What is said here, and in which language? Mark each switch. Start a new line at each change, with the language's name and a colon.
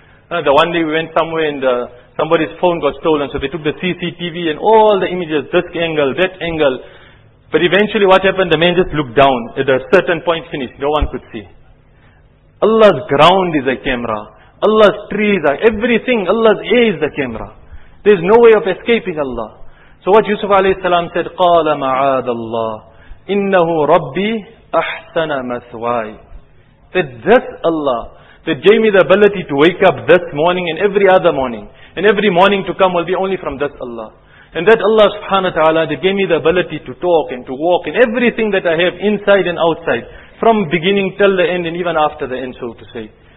English: The one day we went somewhere and somebody's phone got stolen, so they took the CCTV and all the images, this angle, that angle. But eventually what happened, the man just looked down. At a certain point finished, no one could see. Allah's ground is a camera. Allah's trees are everything. Allah's air is the camera. There's no way of escaping Allah. So what Yusuf alayhi salam said,
Arabic: قَالَ مَعَاذَ اللَّهِ إِنَّهُ رَبِّي أَحْسَنَ مَثْوَايِ.
English: That this Allah, that gave me the ability to wake up this morning and every other morning, and every morning to come will be only from this Allah. And that Allah subhanahu wa ta'ala, that gave me the ability to talk and to walk and everything that I have inside and outside, from beginning till the end and even after the end, so to say.